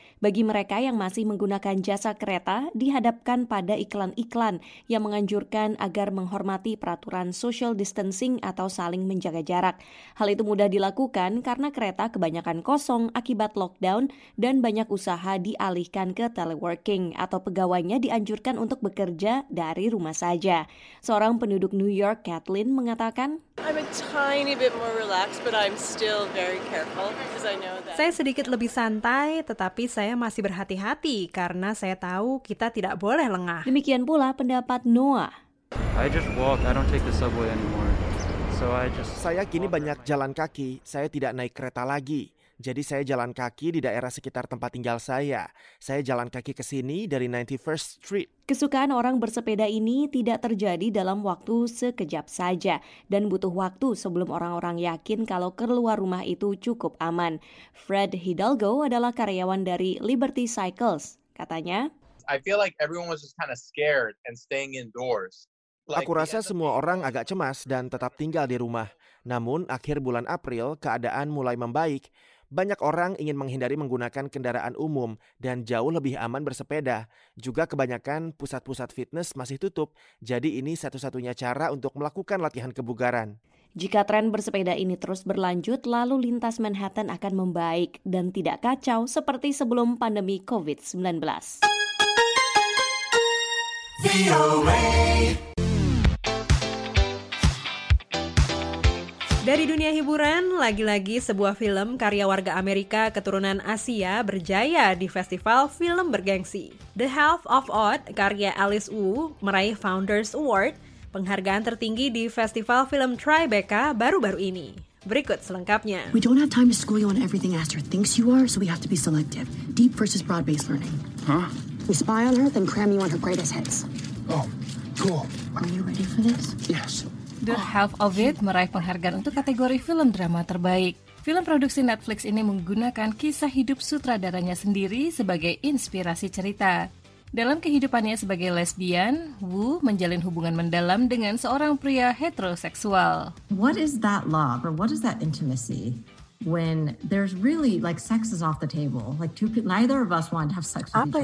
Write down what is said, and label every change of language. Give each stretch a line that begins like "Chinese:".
Indonesian: bagi mereka yang masih menggunakan jasa kereta dihadapkan pada iklan-iklan yang menganjurkan agar menghormati peraturan social distancing atau saling menjaga jarak. Hal itu mudah dilakukan karena kereta kebanyakan kosong akibat lockdown dan banyak usaha dialihkan ke teleworking atau pegawainya dianjurkan untuk bekerja dari rumah saja. Seorang penduduk New York, Kathleen, mengatakan,
English: I'm a tiny bit more relaxed, but I'm still very careful because I know that.
Indonesian: Saya sedikit lebih santai, tetapi saya masih berhati-hati karena saya tahu kita tidak boleh lengah. Demikian pula pendapat Noah.
English: I just walk. I don't take the subway anymore. So I just.
Indonesian: Saya kini banyak jalan kaki. Saya tidak naik kereta lagi. Jadi saya jalan kaki di daerah sekitar tempat tinggal saya. Saya jalan kaki ke sini dari 91st Street. Kesukaan orang bersepeda ini tidak terjadi dalam waktu sekejap saja dan butuh waktu sebelum orang-orang yakin kalau keluar rumah itu cukup aman. Fred Hidalgo adalah karyawan dari Liberty Cycles. Katanya,
English: I feel like everyone was just kind of scared and staying indoors.
Indonesian: Aku rasa semua orang agak cemas dan tetap tinggal di rumah. Namun akhir bulan April keadaan mulai membaik. Banyak orang ingin menghindari menggunakan kendaraan umum dan jauh lebih aman bersepeda. Juga kebanyakan pusat-pusat fitness masih tutup, jadi ini satu-satunya cara untuk melakukan latihan kebugaran. Jika tren bersepeda ini terus berlanjut, lalu lintas Manhattan akan membaik dan tidak kacau seperti sebelum pandemi COVID-19. VOA. Dari dunia hiburan, lagi-lagi sebuah film karya warga Amerika keturunan Asia berjaya di festival film bergengsi. The Half of Odd, karya Alice Wu, meraih Founders Award, penghargaan tertinggi di festival film Tribeca baru-baru ini. Berikut selengkapnya.
English: We don't have time to school you on everything Astrid thinks you are, so we have to be selective. Deep versus broad-based learning. Huh? We spy on her, then cram you on her greatest hits. Oh, cool. Are you ready for this? Yes.
Indonesian: The Half of It meraih penghargaan untuk kategori film drama terbaik. Film produksi Netflix ini menggunakan kisah hidup sutradaranya sendiri sebagai inspirasi cerita. Dalam kehidupannya sebagai lesbian, Wu menjalin hubungan mendalam dengan seorang pria heteroseksual.
English: What is that love or what is that intimacy when there's really like sex is off the table? Like two, neither of us want to have sex with each other.